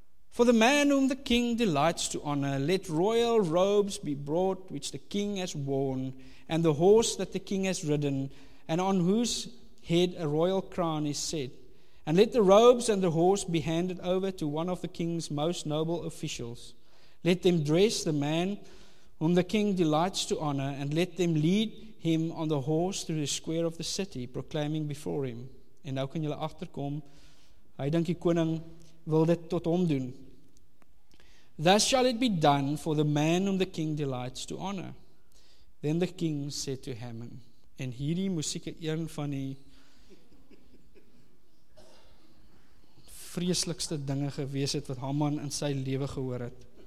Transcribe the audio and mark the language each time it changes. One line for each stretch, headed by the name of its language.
English: For the man whom the king delights to honor, let royal robes be brought which the king has worn, and the horse that the king has ridden, and on whose head a royal crown is set. And let the robes and the horse be handed over to one of the king's most noble officials. Let them dress the man whom the king delights to honor, and let them lead him on the horse through the square of the city, proclaiming before him.
Afrikaans: En nou kan julle agterkom, hy dink die koning wil dit tot hom doen.
English: Thus shall it be done for the man whom the king delights to honor. Then the king said to Haman,
Afrikaans: en hierdie moes ek een van die vreeslikste dinge gewees het wat Haman in sy lewe gehoor het.